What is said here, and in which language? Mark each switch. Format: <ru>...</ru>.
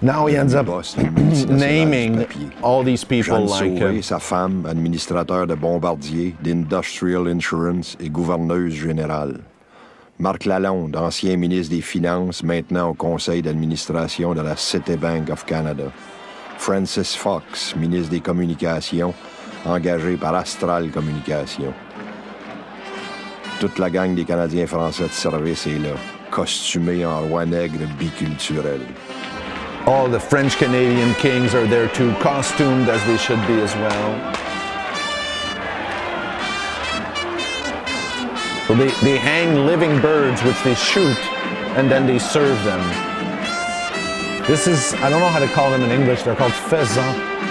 <en>Now he ends up naming all these people like</en> <fr>sa femme, administrateur de bombardier, d'industrial insurance et gouverneuse générale. Marc Lalonde, ancien ministre des Finances, maintenant au conseil d'administration de la Citibank of Canada. Francis Fox, ministre des Communications, engagé par Astral Communication. Toute la gang des Canadiens français de service est là, costumée en roi nègre biculturel.</fr> <en>All the French Canadian kings are there too, costumed as they should be as well. So they hang living birds which they shoot and then they serve them. This is, I don't know how to call them in English, they're called faisans.</en>